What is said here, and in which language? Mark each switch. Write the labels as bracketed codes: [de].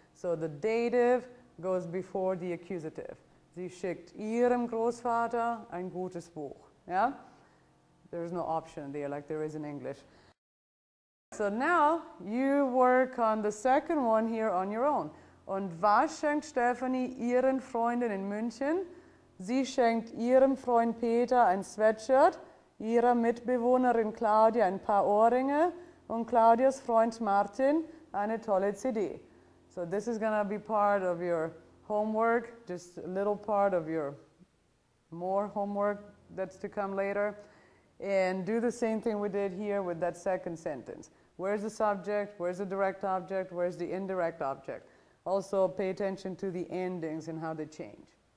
[en] So the dative goes before the accusative. [de] Sie schickt ihrem Großvater ein gutes Buch. Yeah? [en] There's no option there like there is in English. So now you work on the second one here on your own. [de] Und was schenkt Stephanie ihren Freunden in München? Sie schenkt ihrem Freund Peter ein Sweatshirt, ihrer Mitbewohnerin Claudia ein paar Ohrringe und Claudias Freund Martin eine tolle CD. [en] So this is going to be part of your homework, just a little part of your more homework that's to come later. And do the same thing we did here with that second sentence. Where's the subject? Where's the direct object? Where's the indirect object? Also pay attention to the endings and how they change.